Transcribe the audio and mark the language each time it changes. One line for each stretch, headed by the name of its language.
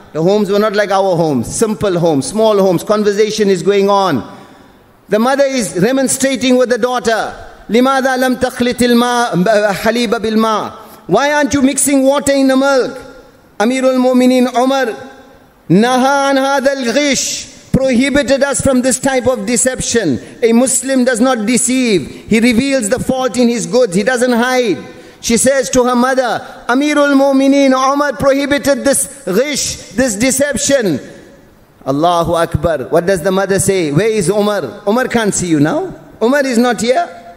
English: The homes were not like our homes. Simple homes, small homes. Conversation is going on. The mother is remonstrating with the daughter.
Arabic: لماذا لم تخلط الماء حليب بالماء.
English: Why aren't you mixing water in the milk?
Arabic: Amir al-Mu'mineen Umar نهى عن هذا الغش.
English: Prohibited us from this type of deception. A Muslim does not deceive. He reveals the fault in his goods. He doesn't hide. She says to her mother, Amir al-Mu'mineen Umar prohibited this ghish, this deception. Allahu Akbar. What does the mother say? Where is Umar? Umar can't see you now. Umar is not here.